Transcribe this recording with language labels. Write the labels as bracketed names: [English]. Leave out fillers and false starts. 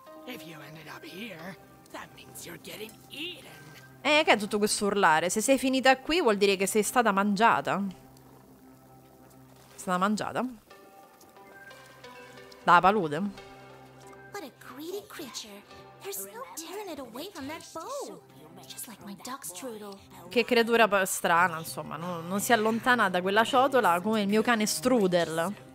[English] If you ended up here, that means you're getting eaten. [Italian] Che è tutto questo urlare? Se sei finita qui vuol dire che sei stata mangiata. Stata mangiata? Da palude? [English] What a greedy creature. There's no tearing it away from that bowl. Just like my duck's strudel. [Italian] Che creatura strana, insomma, no, non si allontana da quella ciotola come il mio cane strudel.